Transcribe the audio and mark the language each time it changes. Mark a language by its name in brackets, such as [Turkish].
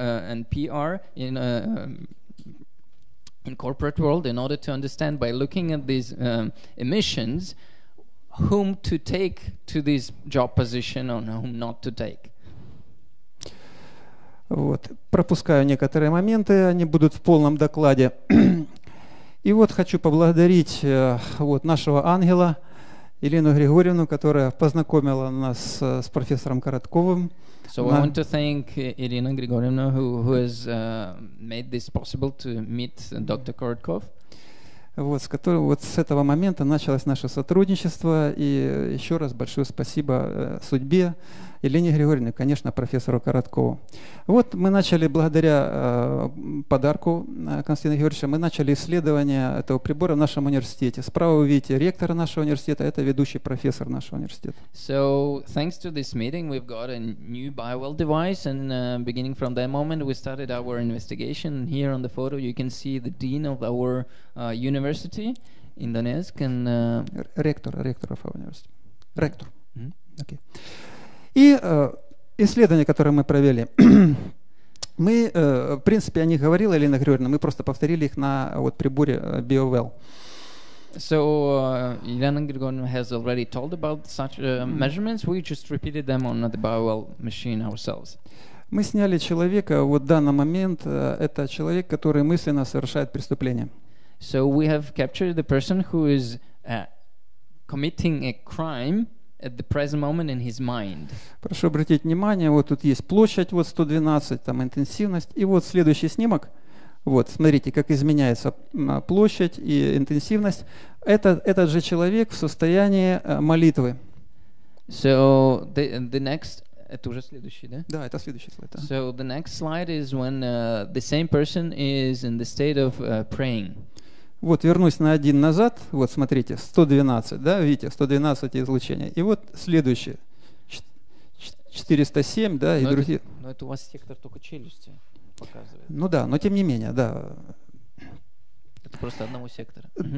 [English] and PR in corporate world in order to understand by looking at these emissions whom to take to this job position or whom not to take. [Russian] Вот, пропускаю некоторые моменты, они будут в полном докладе. И вот хочу поблагодарить вот нашего ангела Елену Григорьевну, которая познакомила нас с профессором Коротковым. [English] So I want to thank Elena Grigorievna who has made this possible to meet Dr. Korotkov. [Russian] Вот, с этого момента началось наше сотрудничество, и еще раз большое спасибо судьбе Елене Григорьевне, конечно, профессору Короткову. Вот мы начали благодаря подарку Константина Георгиевича, мы начали исследование этого прибора в нашем университете. Справа вы видите ректора нашего университета, это ведущий профессор нашего университета. [English] So, thanks to this meeting, we've got a new BioWell device, and beginning from that moment, we started our investigation. Here on the photo, you can see the dean of our university in Donetsk. And, ректор of our university. Ректор. Mm-hmm. Okay. [Russian] И исследования, которые мы провели, мы, в принципе, о них говорила Елена Григорьевна, мы просто повторили их на вот приборе BioWell. [English] So, Елена Григорьевна has already told about such measurements, we just repeated them on the BioWell machine ourselves. [Russian] Мы сняли человека, вот в данный момент, это человек, который мысленно совершает преступление. [English] So, we have captured the person who is committing a crime at the present moment in his mind. [Russian] Прошу обратить внимание, вот тут есть площадь, вот 112, там интенсивность, и вот следующий снимок, вот, смотрите, как изменяется площадь и интенсивность. Этот же человек в состоянии молитвы. [English] So, the next, [Russian] это уже следующий, да? Да, это следующий слайд. Да. [English] So, the next slide is when the same person is in the state of praying. [Russian] Вот, вернусь на один назад, вот, смотрите, 112, да, видите, 112 излучения. И вот следующее, 407, да, и другие. Но это у вас сектор только челюсти показывает. Ну да, но тем не менее, да. Это просто одного сектора.